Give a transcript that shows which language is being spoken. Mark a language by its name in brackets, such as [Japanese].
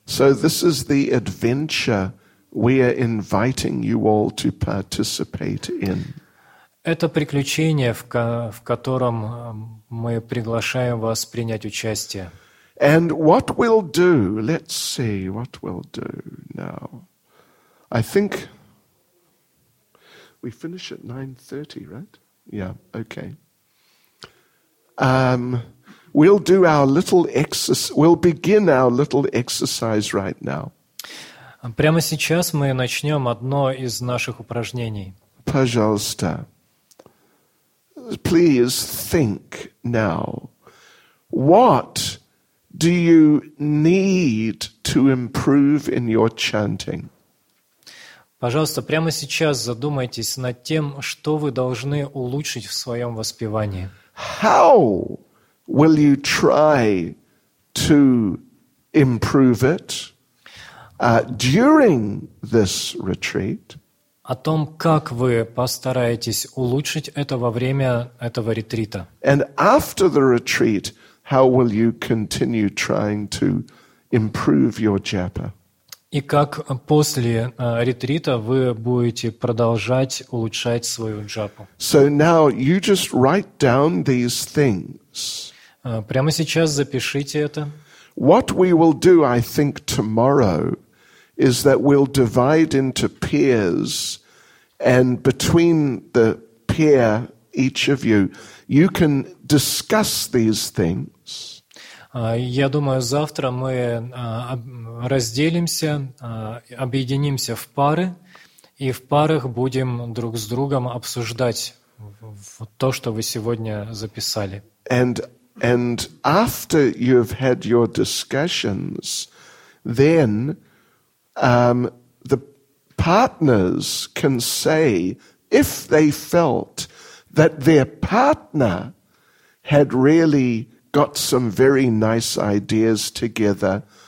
[English] So this is the adventure we are inviting you all to participate in. [Russian] Это приключение, в котором мы приглашаем вас принять участие. [English] And what we'll do, let's see, what we'll do now. I think we finish at 9:30, right? Yeah, okay. We'll do our little exercise. We'll begin our little exercise right now. [Russian] Прямо сейчас мы начнем одно из наших упражнений. Пожалуйста. [English] Please think now. What do you need to improve in your chanting? [Russian] Пожалуйста, прямо сейчас задумайтесь над тем, что вы должны улучшить в своем воспевании. [English] How will you try to improve it during this retreat? [Russian] О том, как вы постараетесь улучшить это во время этого ретрита. [English] And after the retreat, how will you continue trying to improve your japa? [Russian] И как после ретрита вы будете продолжать улучшать свою джапу? [English] So now you just write down these things. [Russian] Прямо сейчас запишите это. [English] What we will do, I think, tomorrow is that we'll divide into pairs, and between the here, each of you, you can discuss these things. [Russian] Я думаю, завтра мы разделимся, объединимся в пары, и в парах будем друг с другом обсуждать то, что вы сегодня записали. [English] And after you've had your discussions, then the partners can say if they felt that their partner had really got some very nice ideas together,